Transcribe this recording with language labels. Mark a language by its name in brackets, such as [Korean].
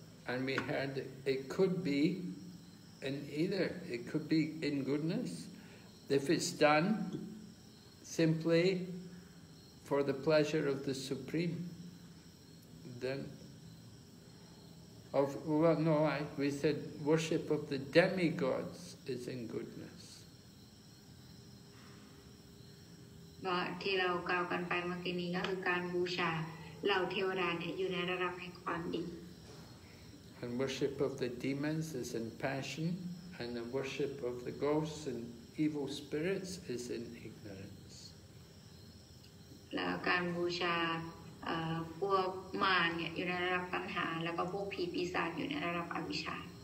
[English] And we heard it could be in either it could be in goodness if it's done simply for the pleasure of the supreme then of well no I we said worship of the demigods is in goodness [Thai] ว่าที่เรากล่าวกันไปเมื่อกี้นี้ก็คือการบูชาเหล่าเทวดาเนี่ยอยู่ในระดับแห่งความดี [English] And worship of the demons is in passion and the worship of the ghosts and evil spirits is in ignorance [Thai] แล้วการบูชาพวกมารเนี่ยอยู่ในระดับปัญหาแล้วก็พวกผีปีศาจอยู่ในระดับอวิชชา